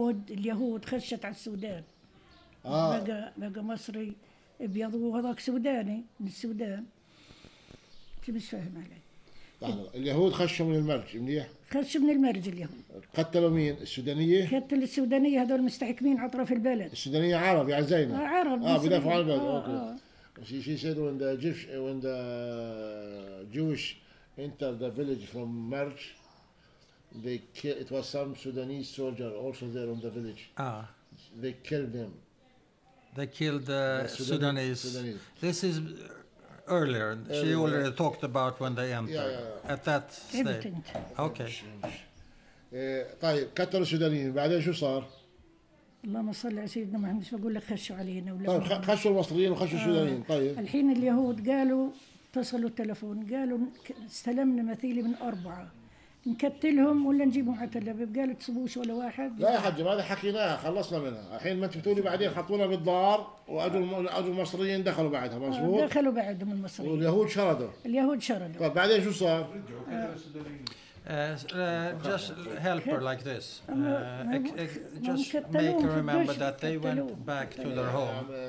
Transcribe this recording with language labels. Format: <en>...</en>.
<ar>اليهود خشت على السودان بقى مصري ابيض وهذاك سوداني من السودان انت مش فاهم علي اليهود خشوا من المرج منيح؟ خشوا من المرج اليهود كتلوا مين؟ السودانية؟ كتلوا السودانية هذول مستحكمين على طرف البلد السودانية عرب يعني زينا عرب بدافع عن البلد</ar> <en>She said when the Jewish entered the village from Marj, it was some Sudanese soldier also there on the village. They killed them. They killed the Sudanese. This is earlier. She already talked about when they entered. Yeah. At that stage. Okay.</en> <ar>طيب كتر السودانيين بعدين شو صار؟ اللهم صل على سيدنا محمد بقول لك خشوا علينا ولا طيب خشوا المصريين وخشوا السودانيين طيب الحين اليهود قالوا اتصلوا التلفون قالوا استلمنا مثيلة من أربعة نكتلهم ولا نجيبهم على تل أبيب قالوا تصبوش ولا واحد لا يا حاج ما هذا حكيناها خلصنا منها الحين ما تبتولي بعدين حطونا بالدار وأجوا المصريين دخلوا بعدها مزبوط دخلوا بعدهم المصريين واليهود شردوا طيب بعدين شو صار</ar> <en>just help her like this. Just make her remember that they went back to their home.</en>